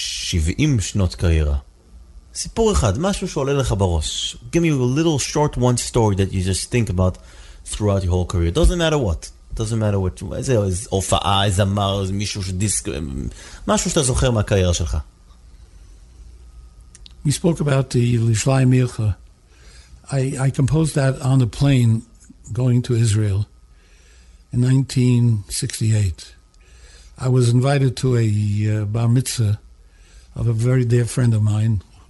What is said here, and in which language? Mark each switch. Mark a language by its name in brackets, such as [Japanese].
[Hebrew] 70 שנות קריירה. סיפור אחד, משהו שעולה לך בראש. [English] Give me a little short one story that you just think about throughout your whole career. Doesn't matter what. Doesn't matter what. [Hebrew] איזה הופעה, איזה אמר, איזה מישהו שדיסק... משהו שאתה זוכר מהקריירה שלך. [English] We spoke about the Lishlai Milcha. I composed that on a plane going to Israel in 1968. I was invited to a bar mitzvah of a very dear friend of mine.